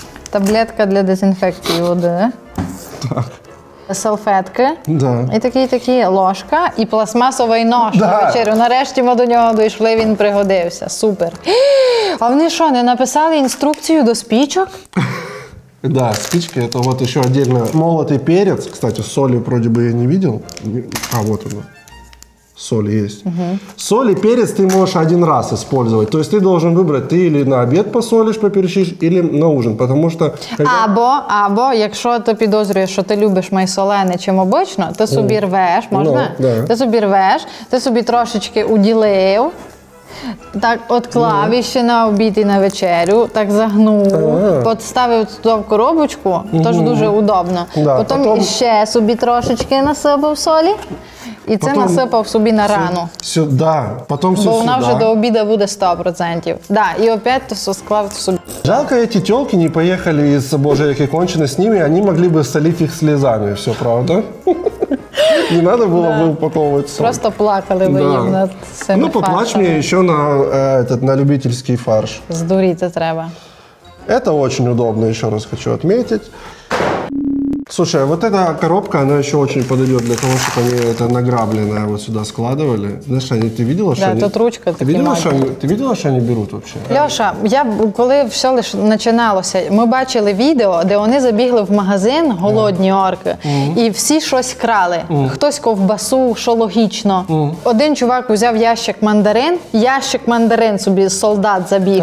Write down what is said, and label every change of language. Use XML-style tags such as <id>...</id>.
<uk>Таблетка для дезінфекції води. Так. Салфетки. Да. І такі-такі. Ложка. І пластмасовий нож. Да. Вечерю. Нарешті ми до нього дійшли, він пригодився. Супер. А вони що, не написали інструкцію до спічок?</uk> <ru>Да, спички. Это вот еще отдельно молотый перец. Кстати, соли вроде бы я не видел. А вот оно. Соль есть. Угу. Соль и перец ты можешь один раз использовать. То есть ты должен выбрать, ты или на обед посолишь, поперчишь, или на ужин. Потому что...</ru> <uk>Або, якщо ти підозрюєш, що ти любиш майсолене, чим обично, ти собі рвеш, можна? Ну, да. Ти собі рвеш, ти собі трошечки уділив, так отклав іще на обід і на вечерю, так загнув, подставив туди в коробочку, тож дуже удобно. Да, потім іще собі трошечки насипав солі. І це потом насипав собі на рану. Сюди, потім сюди. Бо вона вже до обіду буде 100%. Да, і опять то склав собі.</uk> <ru>Жалко, эти тёлки</ru> <uk>не поїхали із Божої і кончено з ними, вони могли б солити їх слезами, все, правда? Не надо було б упаковувати соль. Просто плакали б їм над цими. Ну, поплач мені ще на любительський фарш. Здуріти треба. Це дуже удобно, ще раз хочу відмітити.</uk> <ru>Слушай, вот эта коробка, она еще очень подойдет для того, чтобы они это награбленное вот сюда складывали. Знаешь, они, ты видела, что да, они... Да, тут ручка такая.</ru> <uk>Ти видела, що вони беруть взагалі? Льоша, я, коли все лише починалося, ми бачили відео, де вони забігли в магазин, голодні орки, і всі щось крали. Хтось ковбасу, що логічно. Один чувак взяв ящик мандарин собі солдат забіг.</uk>